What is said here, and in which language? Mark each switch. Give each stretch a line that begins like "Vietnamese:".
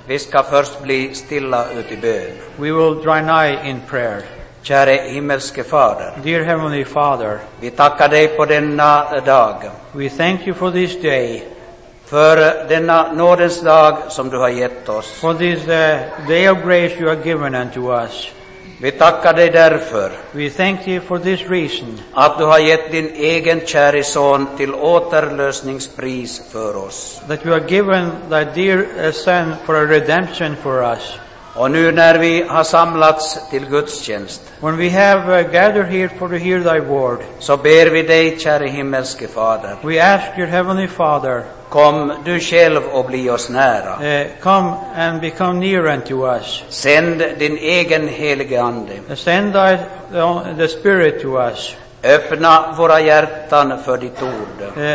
Swedish: Vi ska först bli stilla ut i bön.
English: We will draw nigh in prayer.
Swedish: Kära himmelske Fader.
English: Dear Heavenly Father.
Swedish: Vi tackar dig på denna dag.
English: We thank you for this day.
Swedish: För denna nådens dag som du har gett oss.
English: For this day of grace you have given unto us.
Swedish: Vi tackar dig därför.
English: We thank you for this reason.
Swedish: Att du har gett din egen käre son till återlösningspris för oss.
English: That you have given thy dear son for a redemption for us.
Swedish: Och nu när vi har samlats till gudstjänst.
English: When we have gathered here for to hear thy word.
Swedish: Så ber vi dig, käre himmelske Fader.
English: We ask your heavenly Father.
Swedish: Kom du själv och bli oss nära.
English: Come and become near unto us.
Swedish: Sänd din egen helige Ande.
English: Send the Spirit to us.
Swedish: Öppna våra hjärtan för ditt ord.